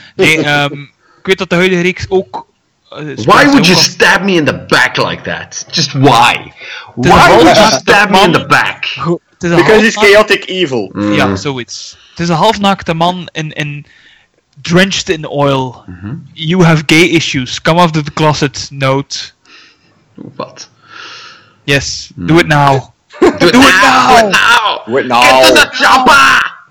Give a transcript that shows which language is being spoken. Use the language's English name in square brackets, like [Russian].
[Dutch] Nee, ik weet dat de huidige reeks ook... [English] Why would you stab me in the back like that? Just why? Why would you stab me in the back? Because he's chaotic evil. [Dutch] Mm. Ja, zoiets. Het is een halfnaakte man in [English] drenched in oil. Mm-hmm. You have gay issues. Come out of the closet, note. What? Yes, do it now. Do it now! Do it now! Get to the chopper!